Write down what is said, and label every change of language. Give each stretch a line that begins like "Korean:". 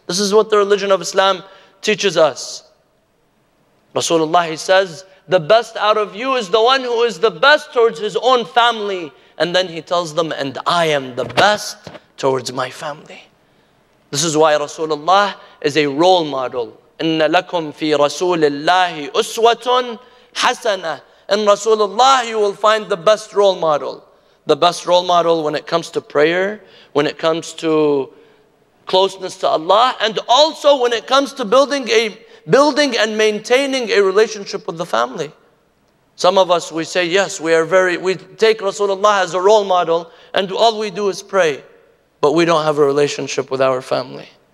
English: This is what the religion of Islam teaches us. Rasulullah, he says, the best out of you is the one who is the best towards his own family. And then he tells them, and I am the best towards my family. This is why Rasulullah is a role model.
Arabic: إن لكم في رسول الله أسوة حسنة.
English: In Rasulullah, you will find the best role model. The best role model when it comes to prayer, when it comes to closeness to Allah, and also when it comes to building and maintaining a relationship with the family. Some of us, we say, yes, we take Rasulullah as a role model, and all we do is pray, but we don't have a relationship with our family.